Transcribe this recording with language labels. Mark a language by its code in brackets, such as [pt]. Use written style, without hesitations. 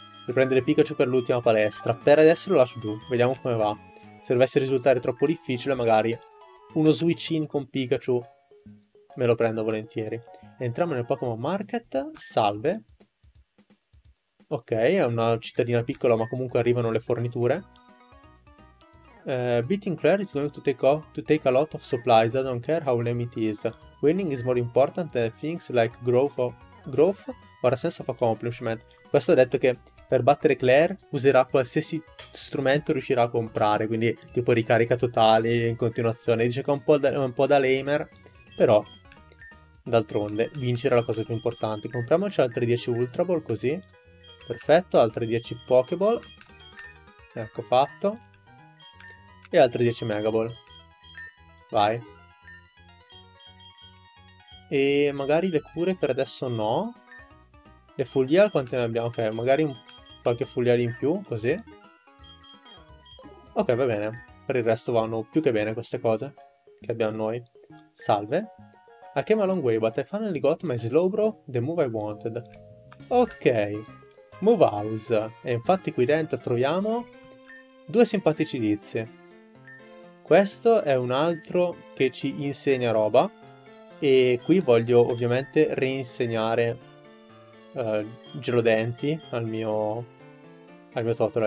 [it] riprendere Pikachu per l'ultima palestra. Per adesso lo lascio giù, vediamo come va. Se dovesse risultare troppo difficile, magari uno switch in con Pikachu me lo prendo volentieri. Entriamo nel Pokémon Market. Salve. Ok, è una cittadina piccola, ma comunque arrivano le forniture. [en] Beating Claire is going to take a lot of supplies. I don't care how lame it is. Winning is more important than things like growth or a sense of accomplishment. [it] Questo ha detto che per battere Claire userà qualsiasi strumento riuscirà a comprare, quindi tipo ricarica totale in continuazione. Dice che è un po' da lamer, però d'altronde vincere è la cosa più importante. Compriamoci altre 10 Ultra Ball così. Perfetto, altre 10 Pokéball. Ecco fatto. E altre 10 Mega Ball. Vai. E magari le cure per adesso no. Le Fuglia quante ne abbiamo? Ok, magari qualche Fuglia in più, così. Ok, va bene. Per il resto vanno più che bene queste cose che abbiamo noi. Salve. [en] I came a long way, but I finally got my Slowbro the move I wanted. Ok. [it] Move House, e infatti qui dentro troviamo due simpatici tizi. Questo è un altro che ci insegna roba, e qui voglio ovviamente reinsegnare Gelodenti al mio Totoro.